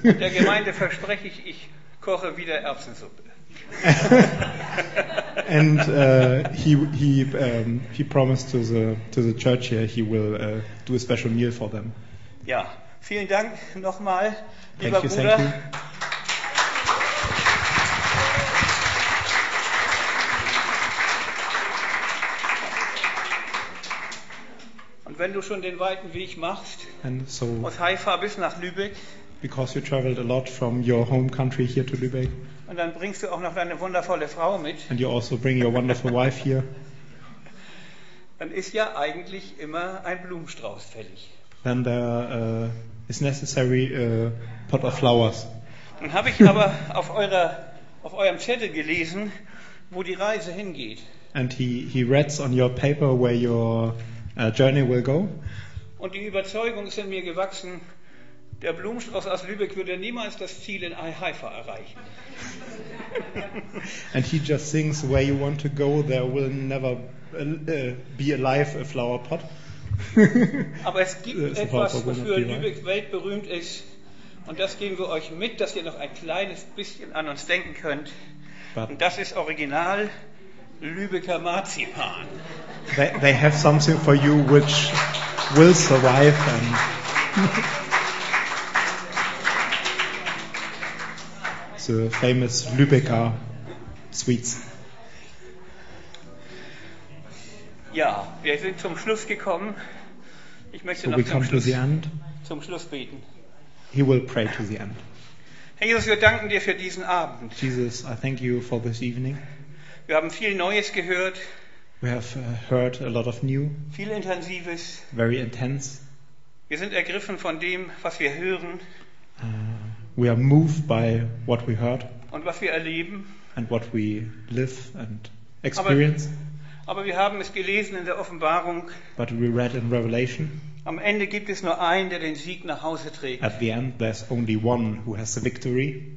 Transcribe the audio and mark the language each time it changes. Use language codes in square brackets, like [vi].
[de] Der Gemeinde verspreche ich, ich koche wieder Erbsensuppe. [en] And he promised to the church here he will do a special meal for them. [de] Ja, vielen Dank nochmal, lieber [en] thank you, [de] Bruder. [en] Thank you. [de] Und wenn du schon den weiten Weg machst, [en] and so, [de] aus Haifa bis nach Lübeck, [en] because you traveled a lot from your home country here to Lübeck. [de] Und dann bringst du auch noch deine wundervolle Frau mit. [en] And you also bring your wonderful wife here. [de] Dann ist ja eigentlich immer ein Blumenstrauß fällig. [en] Then there is necessary a pot of flowers. [de] Dann habe ich aber auf eurem Zettel gelesen, wo die Reise hingeht. [en] And he reads on your paper where your journey will go. [de] Und die Überzeugung ist in mir gewachsen. Der Blumenstrauß aus Lübeck würde niemals das Ziel in Haifa erreichen. [en] And he just thinks where you want to go, there will never be alive a flower pot. [de] Aber es gibt etwas, wofür Lübeck weltberühmt ist, und das geben wir euch mit, dass ihr noch ein kleines bisschen an uns denken könnt. [en] But [de] und das ist original Lübecker Marzipan. [en] They have something for you which will survive and the famous Lübecker Sweets. [de] Ja, wir sind zum Schluss gekommen. Ich möchte so noch zum Schluss beten. [en] He will pray to the end. [de] Herr Jesus, wir danken dir für diesen Abend. [en] Jesus, I thank you for this evening. [de] Wir haben viel Neues gehört. [en] We have heard a lot of new. [de] Viel Intensives. [en] Very intense. [de] Wir sind ergriffen von dem, was wir hören. [en] We are moved by what we heard [de] und was wir erleben [en] and what we live and experience. [de] Aber wir haben es gelesen in der Offenbarung. [en] But we read in Revelation. [de] Am Ende gibt es nur einen, der den Sieg nach Hause trägt. [en] At the end there's only one who has the victory.